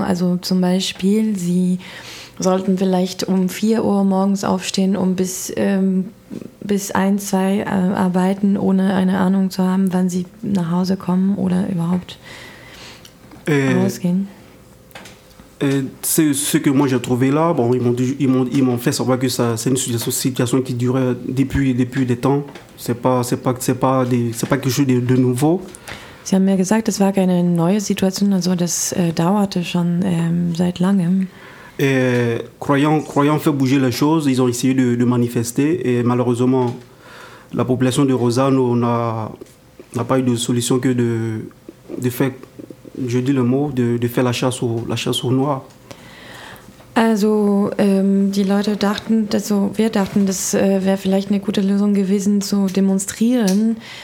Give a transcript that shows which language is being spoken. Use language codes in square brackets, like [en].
[de] Also zum Beispiel, sie sollten vielleicht um 4 Uhr morgens aufstehen, um bis 1, 2 arbeiten, ohne eine Ahnung zu haben, wann sie nach Hause kommen oder überhaupt rausgehen. [fr] Ce que moi j'ai trouvé là, bon, ils m'ont fait savoir que ça, c'est une situation qui durait depuis des temps. C'est pas quelque chose de nouveau. [de] Sie haben mir gesagt, es war keine neue Situation, also das dauerte schon seit langem. [fr] Croyant faire bouger les choses, ils ont essayé de manifester et malheureusement, la population de Rosano n'a pas eu de solution que de faire, je dis le mot, de faire la chasse aux noirs. [de] Also die Leute dachten, wir dachten, das wäre vielleicht eine gute Lösung gewesen, zu demonstrieren.